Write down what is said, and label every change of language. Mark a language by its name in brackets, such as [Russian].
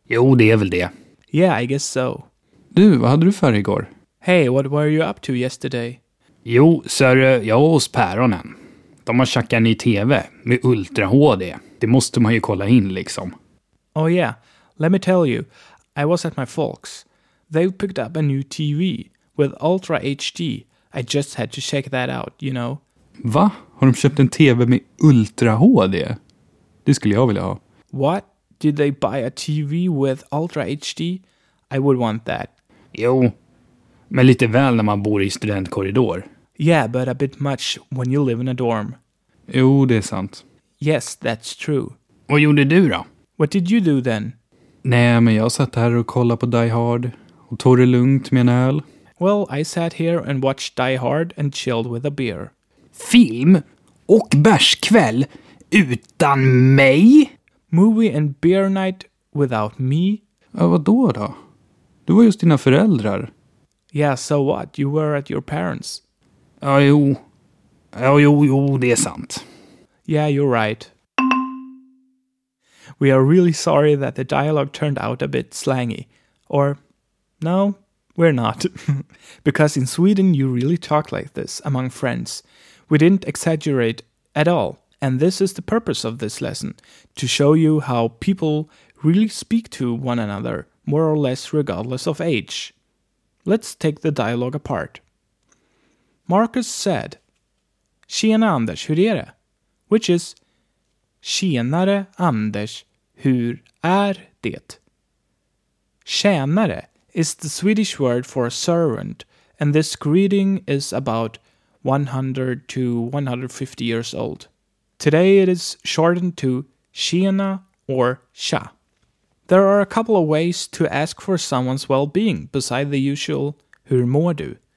[Swedish] Jo, det är väl det. [English] Yeah, I guess so. [Swedish] Du, vad hade du för igår? [English] Hey, what were you up to yesterday? [Swedish] Jo, sörre, jag var hos Päronen. De har tjackat en ny tv med Ultra HD. Det måste man ju kolla in, liksom. [English] Oh yeah, let me tell you. I was at my folks. They've picked up a new TV with Ultra HD. I just had to check that out, you know. [Swedish] Va? Har de köpt en TV med Ultra HD? Det skulle jag vilja ha. [English] What? Did they buy a TV with Ultra HD? I would want that. [Swedish] Jo, men lite väl när man bor i studentkorridor. [English] Yeah, but a bit much when you live in a dorm. [Swedish] Jo, det är sant. [English] Yes, that's true. [Swedish] Vad gjorde du då? [English] What did you do then? [Swedish] Nej, men jag satt här och kollade på Die Hard och tog det lugnt med en öl. [English] Well, I sat here and watched Die Hard and chilled with a beer. [Swedish] Film och bärskväll utan mig? [English] Movie and beer night without me? [Swedish] Ja, vadå då? Du var just dina föräldrar. [English] Yeah, so what? You were at your parents. [Swedish] Ja, jo. Ja, jo, det är sant. [English] Yeah, you're right. We are really sorry that the dialogue turned out a bit slangy. Or, no? We're not. Because in Sweden you really talk like this among friends. We didn't exaggerate at all. And this is the purpose of this lesson. To show you how people really speak to one another, more or less regardless of age. Let's take the dialogue apart. Marcus said, [Swedish] Tjena Anders, hur är det? [English] Which is, [Swedish] Tjenare Anders, hur är det? [English] Tjänare is the Swedish word for a servant, and this greeting is about 100 to 150 years old. Today it is shortened to tjena or tja. There are a couple of ways to ask for someone's well-being beside the usual [Swedish] hur mår du.